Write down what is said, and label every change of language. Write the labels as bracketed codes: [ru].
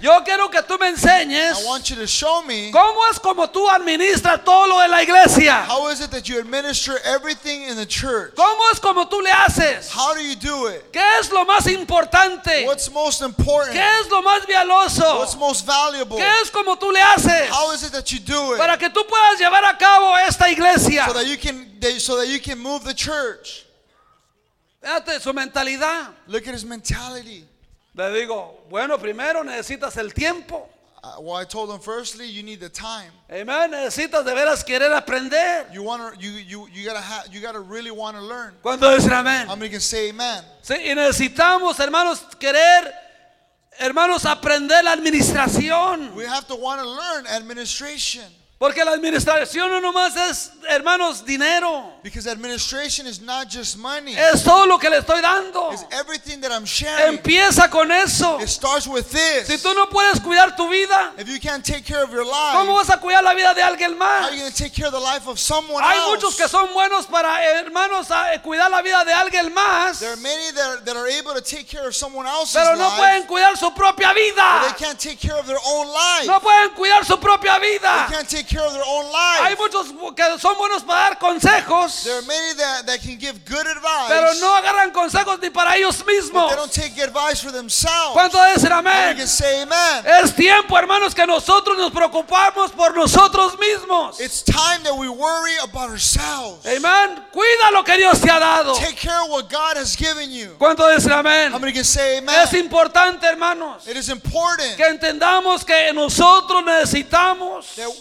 [es] yo quiero que tú me enseñes. [en] I want you to show me. [es] ¿Cómo es como tú administras todo lo de la iglesia? [en] How is it that you administer everything in the church? [es] ¿Cómo es como tú le haces? [en] How do you do it? [es] ¿Qué es lo más importante? [en] What's most important? [es] ¿Qué es lo más [en] What's most valuable? [es] ¿Qué es como tú le haces? [en] How is it that you do it? [es] Para que tú puedas llevar a cabo esta iglesia. [en] So that you can move the church. [es] Fíjate su mentalidad. [en] Look at his mentality. [es] Le digo, bueno, primero necesitas el tiempo. [en] Well, I told him, firstly, you need the time. [es] Amen. Necesitas de veras querer aprender. [en] You want to, you gotta really want to learn. [es] ¿Cuándo dicen amén? [en] How many can say amen? [es] Sí, y necesitamos, hermanos, querer. Hermanos, aprender la administración. [en] We have to want to learn administration. [es] Porque la administración no nomás es, hermanos, dinero. [en] Because administration is not just money. [es] Es todo lo que le estoy dando. [en] It's everything that I'm sharing. [es] Empieza con eso. [en] It starts with this. [es] Si tú no puedes cuidar tu vida, [en] if you can't take care of your life, [es] ¿cómo vas a cuidar la vida de alguien más? [en] How are you going to take care of the life of someone [es] Hay [en] else? [es] Hay muchos que son buenos para, hermanos, cuidar la vida de alguien más. [en] There are many that are able to take care of someone else's [es] pero no [en] life, [es] pueden cuidar su propia vida. [en] But they can't take care of their own life. [es] No pueden cuidar su propia vida. [en] They can't take care of their own life. [es] Hay muchos que son buenos para dar consejos. [en] There are many that can give good advice. [es] Pero no agarran consejos ni para ellos mismos. [en] But they don't take advice for themselves. [es] ¿Cuánto dicen amén? [en] You can say amen. [es] Es tiempo, hermanos, que nosotros nos preocupamos por nosotros mismos. [en] It's time that we worry about ourselves. [es] Amen. Cuida lo que Dios te ha dado. [en] Take care of what God has given you. [es] ¿Cuánto dicen amén? [en] How many can say amen? [es] Es importante, hermanos. [en] It is important. [es] Que entendamos que nosotros necesitamos